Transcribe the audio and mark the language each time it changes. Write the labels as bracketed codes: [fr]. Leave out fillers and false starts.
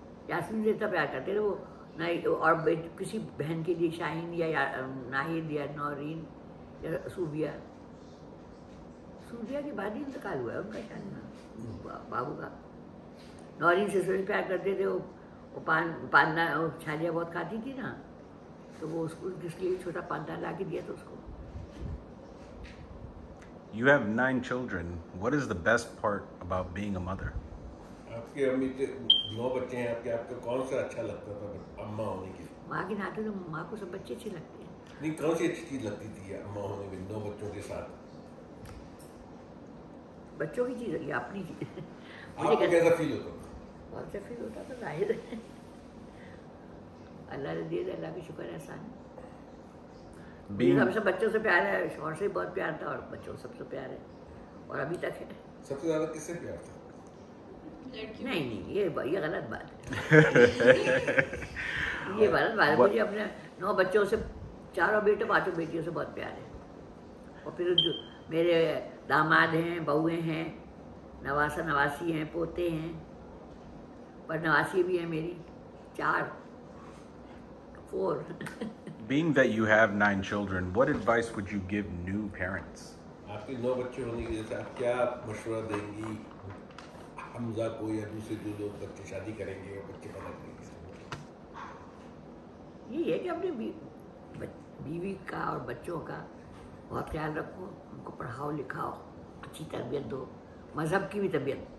[hi] यासमीन से इतना प्यार करते थे वो नहीं, और किसी बहन के लिए शाहीन या नाहिद या नौरीन या सूबिया, सूबिया के बाद ही इंतकाल हुआ है उनका शाहीन बाबू का, नौरीन से सुरेश प्यार करते थे वो पानदा छालियाँ बहुत खाती थी ना, तो वो उसको जिसके लिए छोटा पानदा ला के दिया था उसको, [en] You have 9 children. What is the best part about being a mother? [hi] आपके अम्मी के 9 बच्चे हैं आपके, आपको कौन सा अच्छा लगता था अम्मा होने के? माँ के नाते तो माँ को सब बच्चे अच्छे लगते हैं। नहीं, कौन सी अच्छी चीज़ लगती थी अम्मा होने में 9 बच्चों के साथ? बच्चों की चीज़ लगी, अपनी चीज़। आपको कैसा फील होता था? बहुत अच्छा फील होता था, जाहिर है। अल्लाह ने दिया, अल्लाह का शुक्र एहसान। सबसे बच्चों से प्यार है, शौहर से बहुत प्यार था और बच्चों से सबसे प्यार है और अभी तक है। सबसे ज़्यादा किससे प्यार था? नहीं नहीं, ये गलत बात है। ये गलत बात है, मुझे अपने 9 बच्चों से, 4 बेटे 5 बेटियों से बहुत प्यार है। और फिर जो मेरे दामाद हैं, बहुएं हैं, नवासा नवासी हैं, पोते हैं, पर नवासी भी हैं मेरी 4। [en] Being that you have 9 children, what advice would you give new parents? [hi] आपके 9 बच्चे होने की वजह से आप क्या मशवरा देंगी हमजा को या दूसरे जो लोग बच्चे शादी करेंगे या बच्चे पैदा करेंगे? ये है कि अपने बीवी का और बच्चों का बहुत ख्याल रखो, उनको पढ़ाओ लिखाओ, अच्छी तरबियत दो, मज़हब की भी तरबियत।